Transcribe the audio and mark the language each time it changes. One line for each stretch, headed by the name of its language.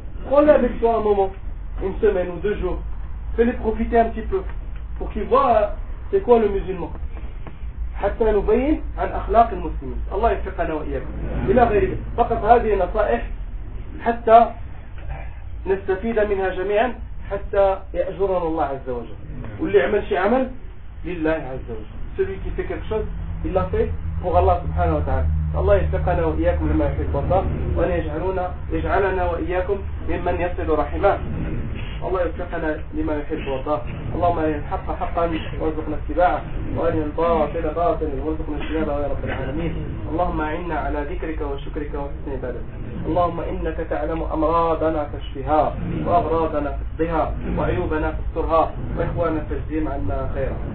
French: Prends-les avec toi un moment, une semaine ou deux jours. Fais-les profiter un petit peu pour qu'ils voient c'est quoi le musulman.
Arabic: حتى نبين عن أخلاق المسلمين. الله يوفقنا وإياكم إلى غيره. فقط هذه نصائح حتى نستفيد منها جميعا حتى يأجرنا الله عز وجل. واللي عمل شيء عمل لله عز وجل.
French: celui qui fait quelque chose il l'a fait pour Allah
Arabic: سبحانه وتعالى. الله يوفقنا وإياكم لما يحب الله وأن يجعلنا وإياكم ممن يصل رحمه. الله يوفقنا لما يحب ورضاه. اللهم ارنا الحق حقا وارزقنا اتباعه وارنا الباطل باطلا وارزقنا اجتنابه يا رب العالمين. اللهم اعنا على ذكرك وشكرك وحسن عبادتك. اللهم انك تعلم امراضنا فاشفها واغراضنا فاقضها وعيوبنا فاسترها واخواننا فاجزهم عنا خيرا.